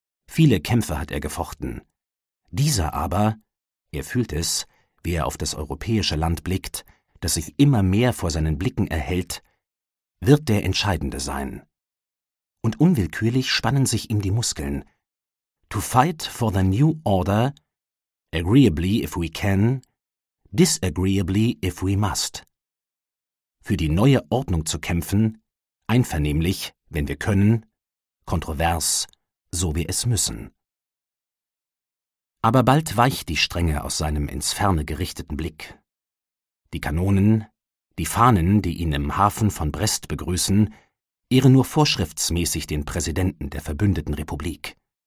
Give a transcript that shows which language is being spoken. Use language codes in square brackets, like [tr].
[de] Viele Kämpfe hat er gefochten. Dieser aber, er fühlt es, wie er auf das europäische Land blickt, das sich immer mehr vor seinen Blicken erhellt, wird der Entscheidende sein. Und unwillkürlich spannen sich ihm die Muskeln. [en] To fight for the new order, agreeably if we can, disagreeably if we must. [de] Für die neue Ordnung zu kämpfen, einvernehmlich, wenn wir können, kontrovers, so wir es müssen. Aber bald weicht die Strenge aus seinem ins Ferne gerichteten Blick. Die Kanonen, die Fahnen, die ihn im Hafen von Brest begrüßen, ehren nur vorschriftsmäßig den Präsidenten der Verbündeten Republik.